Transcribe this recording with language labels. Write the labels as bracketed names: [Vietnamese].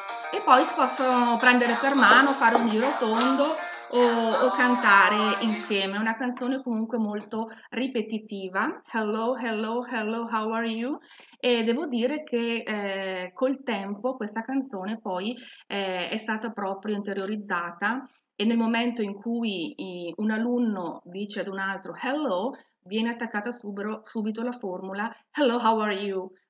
[Italian] E poi si possono prendere per mano, fare un giro tondo o cantare insieme. Una canzone comunque molto ripetitiva. [English] Hello, hello, hello, how are you? [Italian] E devo dire che col tempo questa canzone poi è stata proprio interiorizzata, e nel momento in cui un alunno dice ad un altro hello, viene attaccata subito la formula [English] hello, how are you?